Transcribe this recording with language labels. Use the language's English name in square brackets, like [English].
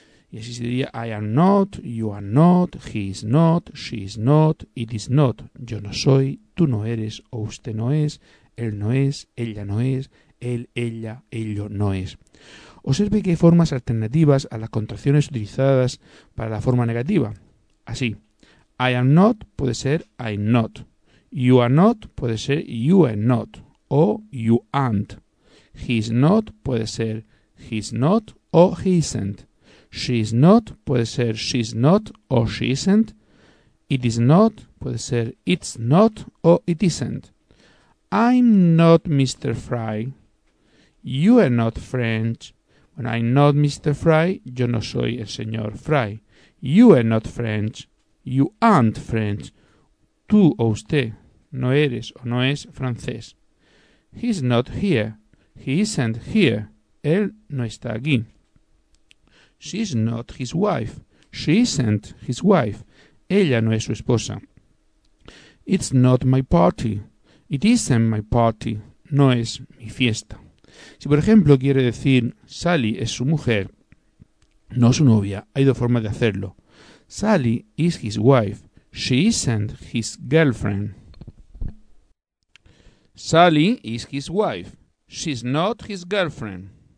[Spanish] Y así sería [English] I am not, you are not, he is not, she is not, it is not. [Spanish] Yo no soy, tú no eres, o usted no es, él no es, ella no es, él, ella, ello no es. Observe que hay formas alternativas a las contracciones utilizadas para la forma negativa. [English] Así, I am not [Spanish] puede ser [English] I'm not. You are not [Spanish] puede ser [English] you are not o you aren't. He is not [Spanish] puede ser [English] he's not o he isn't. She is not [Spanish] puede ser [English] she's not o she isn't. It is not [Spanish] puede ser [English] it's not o it isn't. I'm not Mr. Fry. You are not French. When I'm not Mr. [Spanish] Fry, yo no soy el señor Fry. [English] You are not French. You aren't French. [Spanish] Tú o usted no eres o no es francés. [English] He's not here. He isn't here. [Spanish] Él no está aquí. [English] She's not his wife. She isn't his wife. [Spanish] Ella no es su esposa. [English] It's not my party. It isn't my party. [Spanish] No es mi fiesta. Si, por ejemplo, quiere decir Sally es su mujer, no su novia, hay dos formas de hacerlo. [English] Sally is his wife. She isn't his girlfriend. Sally is his wife. She's not his girlfriend.